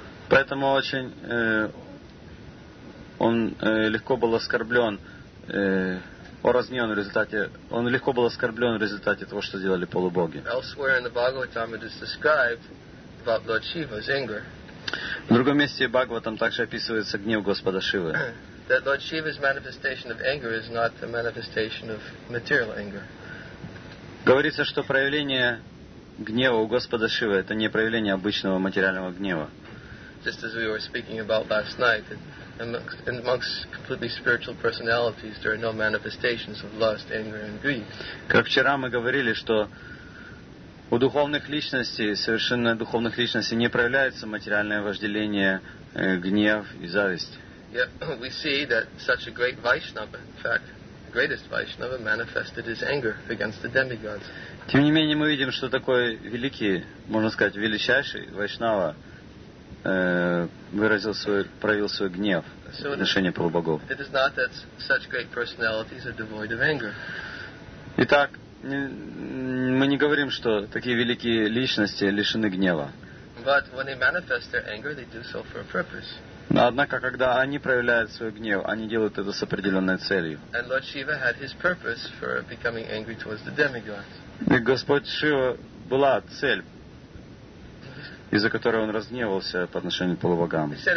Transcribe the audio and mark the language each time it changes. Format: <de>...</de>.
<ru>Поэтому он легко был оскорблен в результате того, что сделали полубоги.</ru> <en>Elsewhere in the Bhagavatam it is described about Lord Shiva's anger.</en> <ru>В другом месте Бхагаватам также описывается гнев Господа Шивы.</ru> <en>That Lord Shiva's manifestation of anger is not a manifestation of material anger.</en> <ru>Говорится, что проявление гнева у Господа Шивы это не проявление обычного материального гнева.</ru> <en>Just as we were speaking about last night, amongst completely spiritual personalities, there are no manifestations of lust, anger, and greed.</en> <ru>Как вчера мы говорили, что у духовных личностей, совершенно духовных личностей, не проявляется материальное вожделение, гнев и зависть.</ru> <en>Yep, we see that such a great Vaishnava, in fact, greatest Vaishnava, manifested his anger against the demigods.</en> <ru>Тем не менее, мы видим, что такой великий, можно сказать, величайший Вайшнава проявил свой гнев в отношении полубогов.</ru> <en>It is not that such great personalities are devoid of anger.</en> <ru>Итак, мы не говорим, что такие великие личности лишены гнева.</ru> <en>But when they manifest their anger, they do so for a purpose.</en> <ru>Но однако, когда они проявляют свой гнев, они делают это с определенной целью.</ru> <en>And Lord Shiva had his purpose for becoming angry towards the demigods.</en> <ru>И Господь Шива была цель, из-за которой он разгневался по отношению к полубогам.</ru>